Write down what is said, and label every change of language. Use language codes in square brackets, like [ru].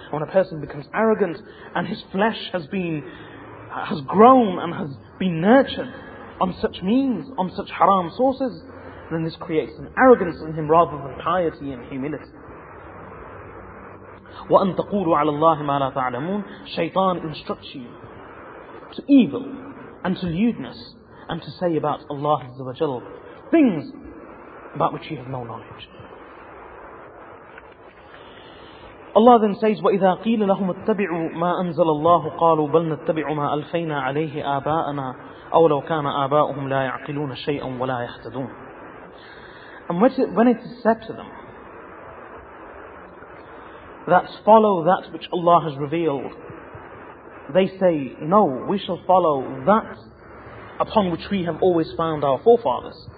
[en] When a person becomes arrogant and his flesh has grown and has been nurtured on such means, on such haram sources, then this creates an arrogance in him rather than piety and humility. [ar] وَأَن تَقُولُوا عَلَى اللَّهِ مَا لَا تَعْلَمُونَ [en] Shaytan instructs you to evil and to lewdness and to say about Allah Azza wa Jal things about which you have no knowledge. Allah then says, [ar] وَإِذَا قِيلَ لَهُمْ اتَّبِعُوا مَا أَنزَلَ اللَّهُ قَالُوا بَلْ نَتَّبِعُ مَا أَلْفَيْنَا عَلَيْهِ آبَاءَنَا أَوْ لَوْ كَانَ آبَاؤُهُمْ لَا يَعْقِلُونَ شَيْئًا وَلَا يَهْتَدُونَ. [en] And when it is said to them that follow that which Allah has revealed, they say, no, we shall follow that upon which we have always found our forefathers.